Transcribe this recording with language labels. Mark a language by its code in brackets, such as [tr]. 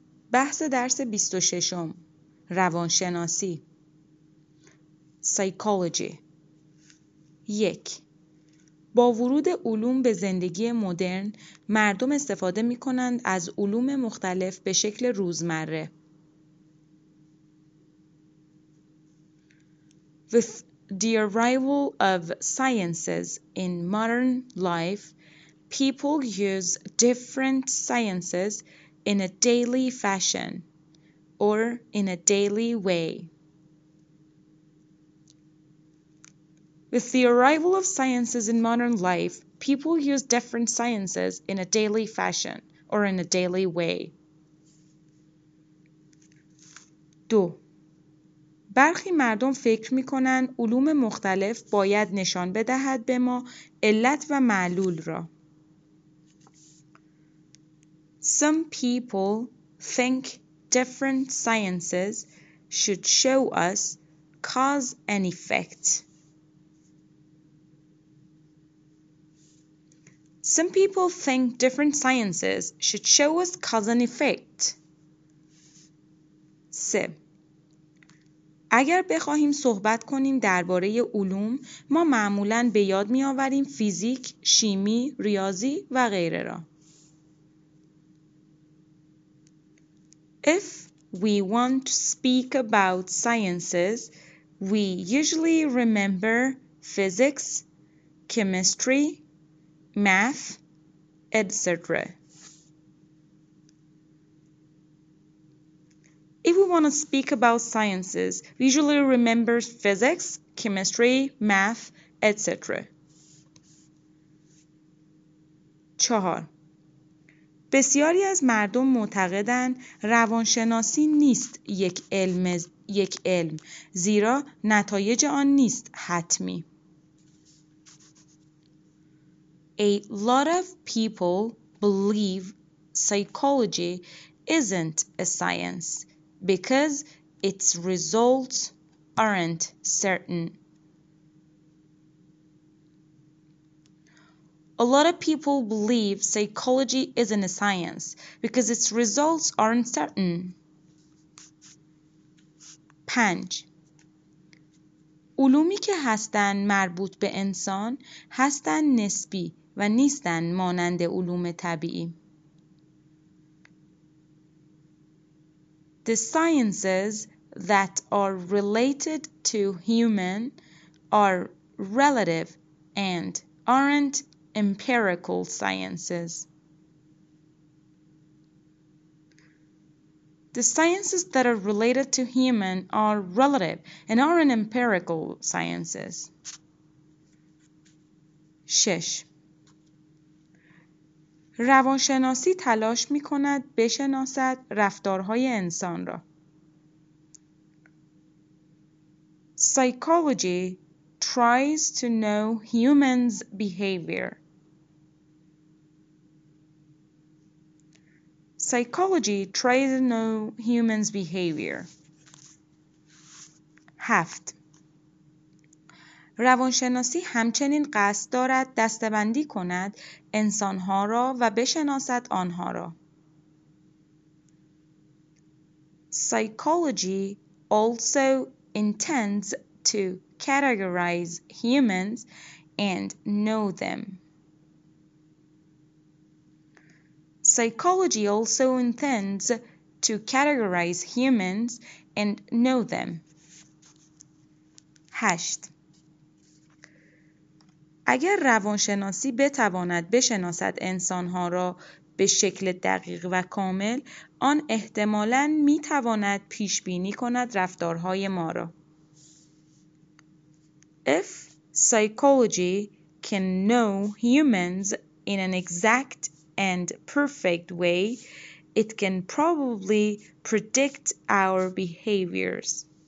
[fa] بحث درس 26 روانشناسی Psychology 1. با ورود علوم به زندگی مدرن، مردم استفاده می کنند از علوم مختلف به شکل روزمره. [en] With the arrival of sciences in modern life, people use different sciences in a daily fashion or in a daily way. With the arrival of sciences in modern life, people use different sciences in a daily fashion or in a daily way. 2. [fa] برخی مردم فکر می‌کنند علوم مختلف باید نشان بدهد به ما علت و معلول را. [en] Some people think different sciences should show us cause and effect. Some people think different sciences should show us cause and effect. 3. [fa] اگر بخواهیم صحبت کنیم درباره علوم، ما معمولاً به یاد می‌آوریم فیزیک، شیمی، ریاضی و غیره را. [en] If we want to speak about sciences, we usually remember physics, chemistry, math, etc. If we want to speak about sciences, we usually remember physics, chemistry, math, etc. 4. [fa] بسیاری از مردم معتقدند روانشناسی نیست یک علم زیرا نتایج آن نیست حتمی. [en] A lot of people believe psychology isn't a science because its results aren't certain. A lot of people believe psychology isn't a science because its results aren't certain. 5. [fa] علومی که هستن مربوط به انسان هستن نسبی و نیستن مانند علوم طبیعی. [en] The sciences that are related to human are relative and aren't empirical sciences. The sciences that are related to human are relative and aren't empirical sciences. 6. [fa] روانشناسی تلاش می کند بشناسد رفتارهای انسان را. [en] Psychology tries to know human's behavior. Psychology tries to know human's behavior. 7. [fa] روانشناسی همچنین قصد دارد دسته‌بندی کند انسان‌ها را و بشناسد آنها را. [en] Psychology also intends to categorize humans and know them. Psychology also intends to categorize humans and know them. 8. [fa] اگر روانشناسی بتواند بشناسد انسانها را به شکل دقیق و کامل، آن احتمالاً میتواند پیشبینی کند رفتارهای ما را. [en] If psychology can know humans in an exact and perfect way, it can probably predict our behaviors.